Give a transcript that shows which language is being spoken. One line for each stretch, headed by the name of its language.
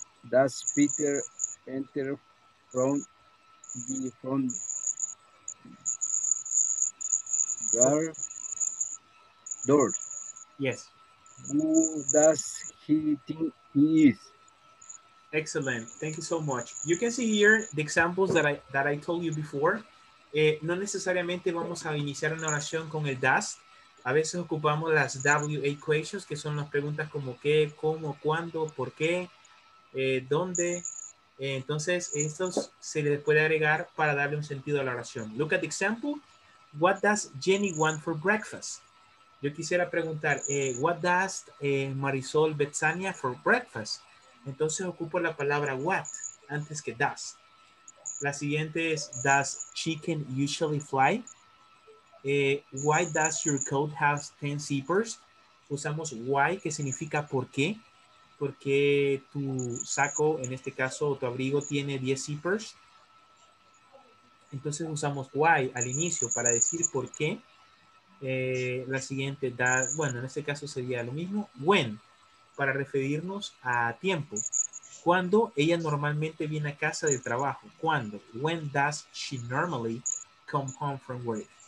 English: Does Peter enter from the front door? Yes. Who does he think he is? Excellent. Thank you so much. You can see here the examples that I told you before.
Spanish: No necesariamente vamos a iniciar una oración con el does. A veces ocupamos las WH questions, que son las preguntas como qué, cómo, cuándo, por qué, dónde. Entonces, estos se les puede agregar para darle un sentido a la oración.
English: Look at the example. What does Jenny want for breakfast?
Spanish: Yo quisiera preguntar,
English: what does Marisol Betsania for breakfast?
Spanish: Entonces, ocupo la palabra what antes que does. La siguiente es,
English: does chicken usually fly? Why does your coat have 10 zippers?
Spanish: Usamos why, que significa por qué. ¿Por qué tu saco, en este caso, tu abrigo tiene 10 zippers? Entonces usamos why al inicio para decir por qué. La siguiente, en este caso sería lo mismo. When, para referirnos a tiempo. ¿Cuándo ella normalmente viene a casa del trabajo? ¿Cuándo?
English: When does she normally come home from work?